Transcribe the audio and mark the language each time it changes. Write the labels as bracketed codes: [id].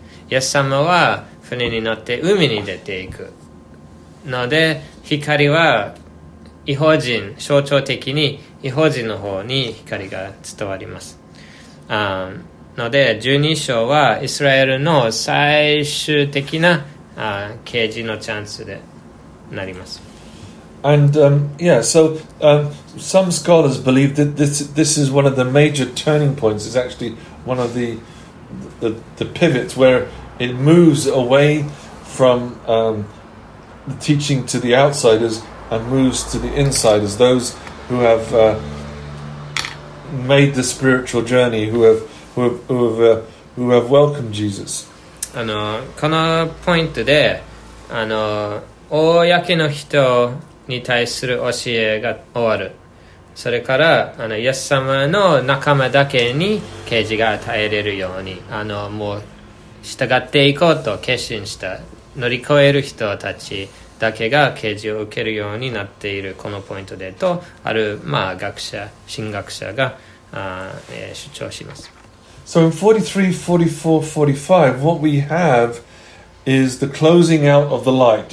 [ja] イエス様は船に乗って海に出ていくので、光は異邦人、象徴的に異邦人の方に光が伝わります。ので、12章はイスラエルの最終的な啓示のチャンスでなります。 [en] And some scholars believe that this is one of the major turning points. It's actually one of the pivots where it moves away from the teaching to the outsiders and moves to the insiders, those who have made the spiritual journey, who have welcomed Jesus. [ja] このポイントで公の人に対する教えが終わる。それからイエス様の仲間だけに啓示が与えれるようにもう従っていこうと決心した乗り越える人たちだけが啓示を受けるようになっているこのポイントでとある、まあ、学者、神学者が主張します。 [en] So in 43, 44, 45 what we have is the closing out of the light.